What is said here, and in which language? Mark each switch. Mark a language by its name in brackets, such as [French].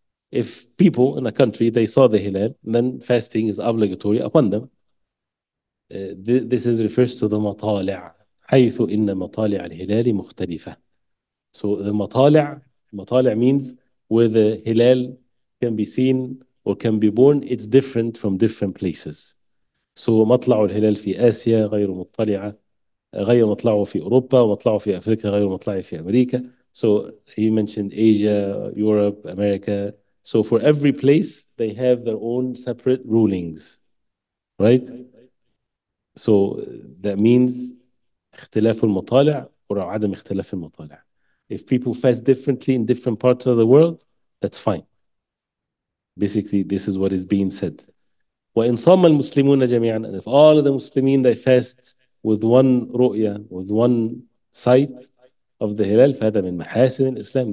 [English] If people in a country, they saw the hilal, then fasting is obligatory upon them. This is refers to the matali'a. [Arabic] حَيْثُ إِنَّ مَطَالِعَ الْهِلَالِ مُخْتَلِفَةٌ. [English] So the matali'a means where the hilal can be seen or can be born, it's different from different places. [Arabic] So مَطْلَعُ الْهِلَالِ فِي آسِيَا غَيْرُ مُطَّلِعَةٌ غير مطلعه في أوروبا ومطلعه في أفريقيا غير مطلعه في أمريكا. [English] So he mentioned Asia, Europe, America. So for every place, they have their own separate rulings, right? So that means [Arabic] اختلاف المطالع or عدم اختلاف المطالع. [English] If people fast differently in different parts of the world, that's fine. Basically, this is what is being said. [Arabic] وإن صام المسلمون جميعا, [English] and if all of the Muslimin they fast with one ru'ya, with one sight of the hilal, [Arabic] فهذا من محاسن الإسلام.